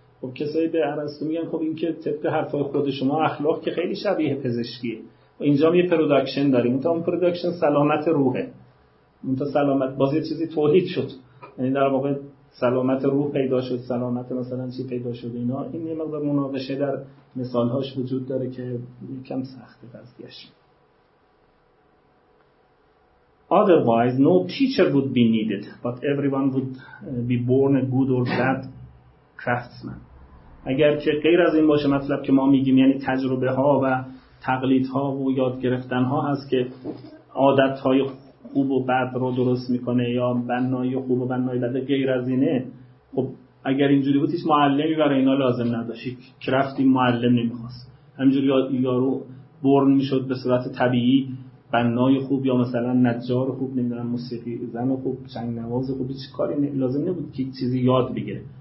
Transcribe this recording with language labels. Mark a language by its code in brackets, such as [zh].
[fa] خب کسایی به ارسطو میگن خب این که طبق حرفای خود شما اخلاق که خیلی شبیه پزشکیه، اینجا هم یه پروداکشن داریم، اونتا اون پروداکشن سلامت روحه، اونتا سلامت باز یه چیزی تولید شد، یعنی در واقع سلامت روح پیدا شد، سلامت مثلا چی پیدا شد اینا. این یه مقدار مناقشه در مثالهاش وجود داره که یکم سخته قضیهش. [en] Otherwise no teacher would be needed but everyone would be born a good or bad craftsman. [fa] اگر که غیر از این باشه مطلب که ما میگیم، یعنی تجربه ها و تقلید ها و یاد گرفتن ها هست که عادت های خوب و بد رو درست میکنه یا بنای خوب و بنای بد، غیر از اینه خب اگر اینجوری بودیش معلمی برای اینا لازم نداشی که رفتی معلم نمیخواست، همینجوری یارو برن میشد به صورت طبیعی بنای خوب یا مثلا نجار خوب، نمیدونم موسیقی زن خوب، چنگ نواز خوب، هیچ کاری لازم نبود که چیزی یاد بگیره.